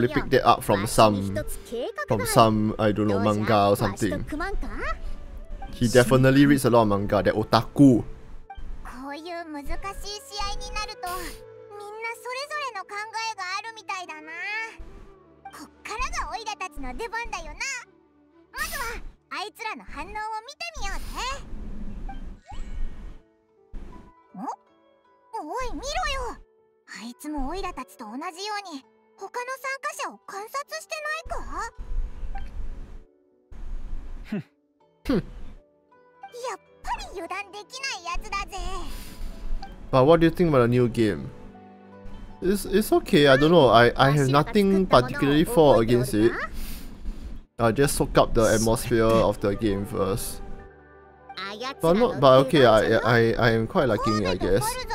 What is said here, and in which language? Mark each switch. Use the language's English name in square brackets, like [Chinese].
[English] You probably picked it up from some I don't know manga or something。 He definitely reads a lot of manga。 That otaku。 [Japanese] こういう難しい試合になると、みんなそれぞれの考えがあるみたいだな。こっからがオイラたちの出番だよな。まずは。あいつらの反応を見てみようぜ。お、おい見ろよ。あいつもオイラたちと同じように他の参加者を観察してないか。ふん。やっぱり油断できないやつだぜ。 [English] But what do you think about a new game? It's okay. I don't know. I have nothing particularly for against it. I'll just soak up the atmosphere of the game first. But okay, I am quite liking it, I guess.